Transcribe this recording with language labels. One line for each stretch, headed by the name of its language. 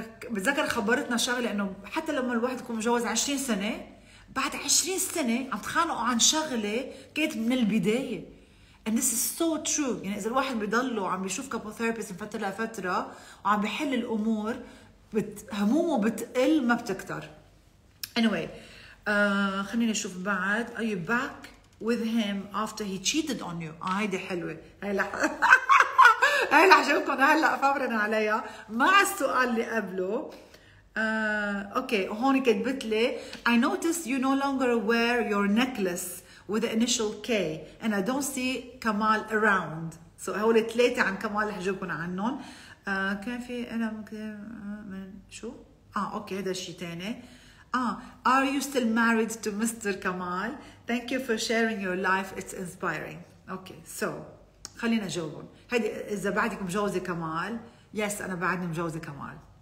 Arabic: بتذكر خبرتنا شغلة إنه حتى لما الواحد يكون مجوز 20 سنة بعد 20 سنة عم تخانقوا عن شغلة كانت من البداية.
English: And this is so true.
Arabic: يعني إذا الواحد بيضلوا عم بيشوف couple therapist من فترة لفترة وعم بيحل الأمور همومه بتقل ما بتكتر. Anyway خليني أشوف بعد.
English: Are you back with him after he cheated on you؟
Arabic: هيدي حلوة. هلا حشوفكم هلأ فبرنا عليها مع السؤال اللي قبله. أوكي هون كتبت لي
English: I noticed you no longer wear your necklace with the initial K and I don't see Kamal around.
Arabic: So هول ثلاثة عن كمال اللي حجبكم عنهم. كان في أنا من شو؟ أوكي هذا شيء تاني.
English: Are you still married to Mr. Kamal? Thank you for sharing your life. It's inspiring. Okay, so
Arabic: خلينا جاوبهم. هذي إذا بعدك مجوزة كمال، yes أنا بعدني مجوزة كمال.